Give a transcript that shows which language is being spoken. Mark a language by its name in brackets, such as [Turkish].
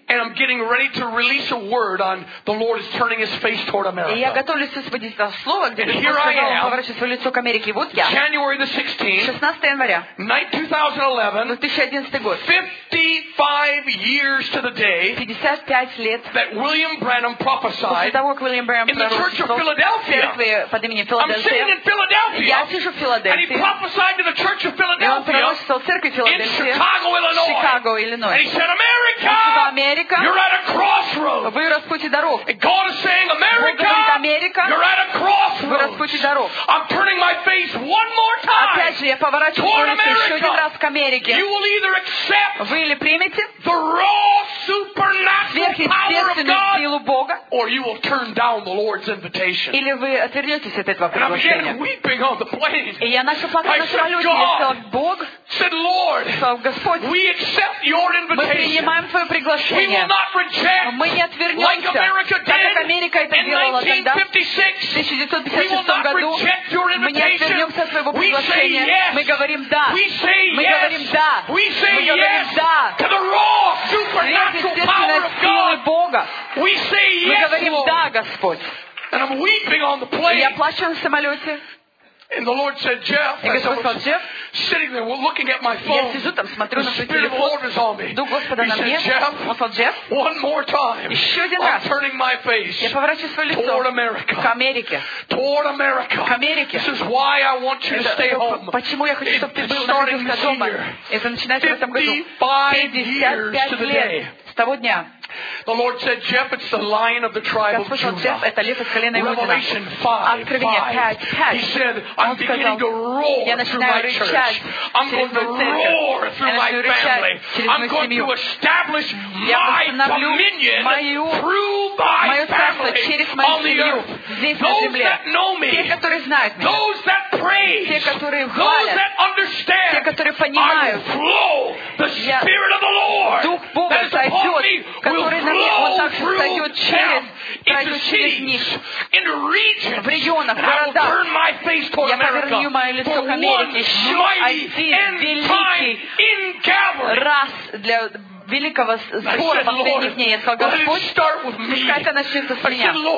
[English] And I'm getting ready to release a word on the Lord is turning His face toward America. [Russian] И я готовлюсь высвободить слово, где Господь поворачивает свое лицо к Америке. Вот я. [English] January the 16th. [Russian] 16 января. [English] Night 2011. [Russian] 2011 год. [English] 55 years to the day. [Russian] 55 лет. [English] That William Branham prophesied. [Russian] Того, как William Branham [English] in the Church of Philadelphia. [Russian] Под именем Филадельфия. [English] I'm sitting in Philadelphia. [Russian] Я сижу в Филадельфии. [English] And he prophesied to the Church of Philadelphia. [Russian] В церкви Филадельфия. [English] In Chicago, Illinois. Chicago, Illinois. And he said, America. You're at a crossroad. [Russian] Вы распути дорог. [English] God is saying, America. [Russian] Говорит, Америка. [English] You're at a crossroad. [Russian] Вы распути дорог. [English] I'm turning my face one more time. [Russian] Опять же, я поворачиваю лицо еще один раз к Америке. [English] You will either accept. [Russian] Вы или примете. [English] The raw supernatural power of God. Or you will turn down the Lord's invitation. [Russian] Или вы отвернетесь от этого приглашения. [English] And I began weeping on the plane. [Russian] И я начал плакать на самолете. [English] I [Russian] сказал, Бог. [English] Said Lord. [Russian] Сказал, Господь. [English] We accept your invitation. [Russian] Мы принимаем твое приглашение. [English] We will not reject. [Russian] Мы не отвернемся, так как Америка это делала тогда. В 1956 году мы не отвернемся от своего приглашения. Мы говорим да. Мы говорим да. Мы говорим да. [English] To the raw supernatural power of God. We say yes, [Russian] мы говорим да, Господь. [English] And I'm weeping on the plane. [Russian] Я плачу на самолете. [English] And the Lord said, Jeff, [Russian] I сказал, Jeff, [English] sitting there looking at my phone, [Russian] я сижу там, смотрю [English] the Spirit of the Lord is on me. [Russian] Дух Господа [English] he [Russian] на [English] said, [Russian] мне. [English] Jeff, [Russian] сказал, Jeff, [English] one more time, [Russian] еще один [English] I'm [Russian] раз. [English] Turning my face [Russian] я поворачиваю свое лицо [English] toward America. [Russian] К Америке. [English] Toward America. [Russian] К Америке. [English] This is why I want you [Russian] это [English] to stay home. [Russian] Почему я хочу, чтобы ты был на [English] starting this [Russian] дома. [English] Year. [Russian] Это начинается в этом году. [English] 55 years to the day. The Lord said, "Jeff, it's the lion of the tribe of Judah." Revelation 5:5. He said, "I'm beginning to roar through my church. I'm going to roar through my family. I'm going to establish my dominion through my family on the earth. Those that know me, those that praise, those that understand, I will flow the Spirit of the Lord that is upon me." [Russian] Который на мне, он так встает через них, в регионах, в городах. Я поверну мое лицо к Америке, еще один великий раз для великого сбора последних дней. Я сказал, Господь, пускай это начнется с меня.